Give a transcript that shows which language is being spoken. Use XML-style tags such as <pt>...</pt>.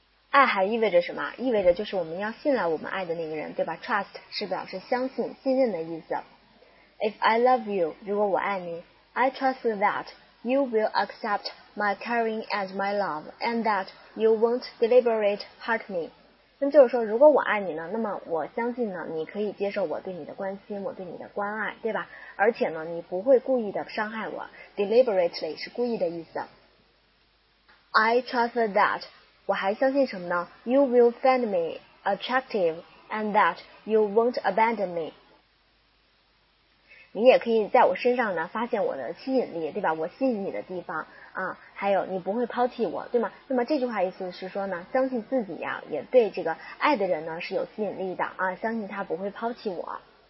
<zh>爱还意味着什么？意味着就是我们要信赖我们爱的那个人，对吧？ Trust 是表示相信、信任的意思。</zh> <en>If I love you，</en> <zh>如果我爱你，</zh> <en>I trust that you will accept my caring and my love and that you won't deliberately hurt me。</en> <zh>那就是说如果我爱你呢，那么我相信呢你可以接受我对你的关心，我对你的关爱，对吧？而且呢你不会故意的伤害我， deliberately 是故意的意思。</zh> <en>I trust that，</en> <zh>我还相信什么呢？</zh> <en>You will find me attractive and that you won't abandon me。</en> <zh>你也可以在我身上呢发现我的吸引力，对吧？我吸引你的地方啊，还有你不会抛弃我，对吗？那么这句话意思是说呢，相信自己呀、啊、也对这个爱的人呢是有吸引力的啊，相信他不会抛弃我。</zh>